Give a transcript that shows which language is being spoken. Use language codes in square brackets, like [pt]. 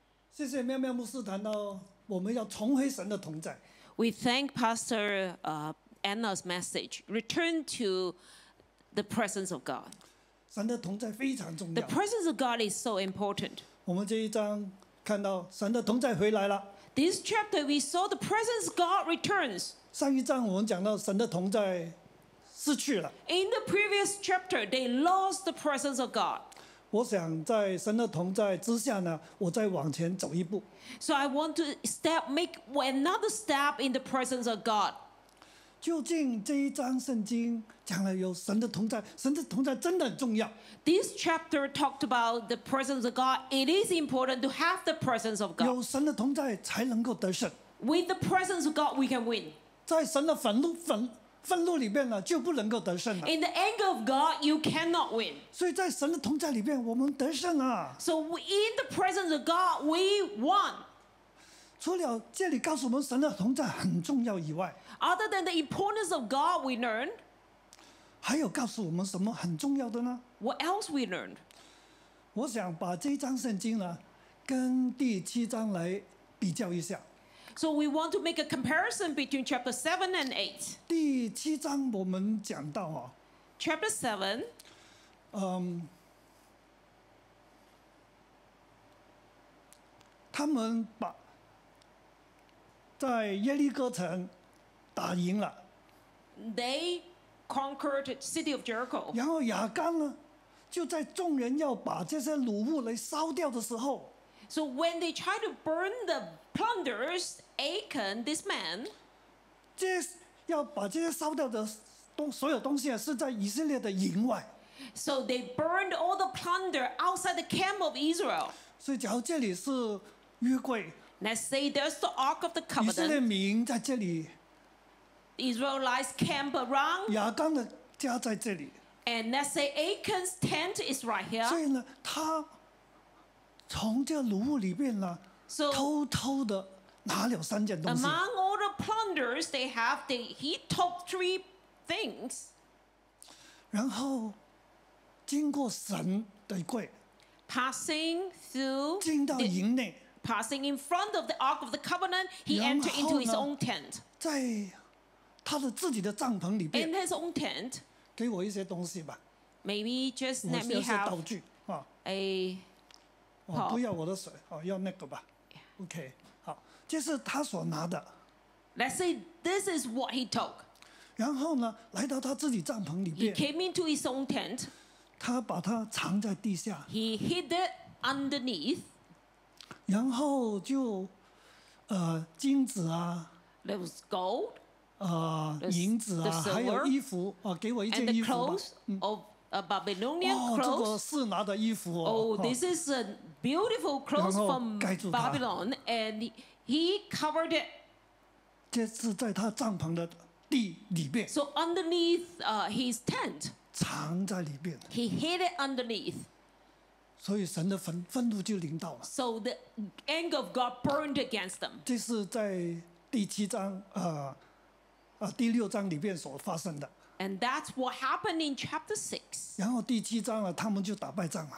[zh] 谢谢妙妙牧师谈到我们要重回神的同在。 [en] We thank Pastor Anna's message. Return to the presence of God. [zh] 神的同在非常重要。 [en] The presence of God is so important. [zh] 我们这一章看到神的同在回来了。 [en] This chapter we saw the presence of God returns. [zh] 上一章我们讲到神的同在。 [en] In the previous chapter, they lost the presence of God. [zh] 我想在神的同在之下呢，我再往前走一步。 [en] So I want to step, make another step in the presence of God. [zh] 究竟这一章圣经讲了有神的同在，神的同在真的很重要。 [en] This chapter talked about the presence of God. It is important to have the presence of God. [zh] 有神的同在才能够得胜。 [en] With the presence of God, we can win. [zh] 在神的愤怒里面呢，就不能够得胜了。 [en] In the anger of God, you cannot win. [zh] 所以在神的同在里面，我们得胜啊。 [en] So in the presence of God, we won. [zh] 除了这里告诉我们神的同在很重要以外 [en] ，Other than the importance of God, we learned. [zh] 还有告诉我们什么很重要的呢 [en] ？What else we learned? [zh] 我想把这一章圣经呢，跟第七章来比较一下。 [en] So we want to make a comparison between chapter 7 and 8. [zh] 第七章我们讲到啊。 [en] Chapter 7. [zh] 他们把在耶利哥城打赢了。 [en] They conquered the city of Jericho. [zh] 然后亚干呢，就在众人要把这些掳物来烧掉的时候。 [en] So when they try to burn the plunders, Achan, this man, [zh] 这要把这些烧掉的所有东西是在以色列的营外。 [en] So they burned all the plunder outside the camp of Israel. [zh] 所以假如这里是约柜 [en] ，Let's say there's the Ark of the Covenant. [zh] 以色列民在这里 [en] ，Israelites camp around. [zh] 亚干的家在这里 [en] ，And let's say Achan's tent is right here. [zh] 所以呢，他从这个掳物里面呢， [en] so, [zh] 偷偷的拿了三件东西。 [en] Among all the plunders they have, he took three things. [zh] 然后经过神的柜 [en] ，passing through， [zh] 进到营内 [en] ，passing in front of the ark of the covenant, he entered into his own tent. [zh] 在他的自己的帐篷里边 [en] ，in his own tent. [zh] 给我一些东西吧 [en] ，maybe just let me have [zh] 道具啊 [en] ，a。 [zh] 哦、不要我的水、哦、要那个吧 OK 好这是他所拿的 [en] Let's say this is what he took [zh] 然后呢来到他自己帐篷里面 [en] He came into his own tent [zh] 他把它藏在地下 [en] He hid it underneath [zh] 然后就金子啊 [en] There was gold [zh] 银子啊 [en] the silver, [zh] 还有衣服、哦、给我一件衣服吧 [en] And the clothes of a Babylonian clothes [zh] 哦这个是拿的衣服 [en] Oh this is aBeautiful clothes from Babylon, and he covered it. [zh] 这是在他帐篷的地里面。 [en] So underneath his tent. [zh] 藏在里面。 [en] He hid it underneath. [zh] 所以神的愤怒就临到了。 [en] So the anger of God burned against them. [zh] 这是在第七章第六章里面所发生的。 [en] And that's what happened in chapter 6. [zh] 然后第七章了，他们就打败仗了。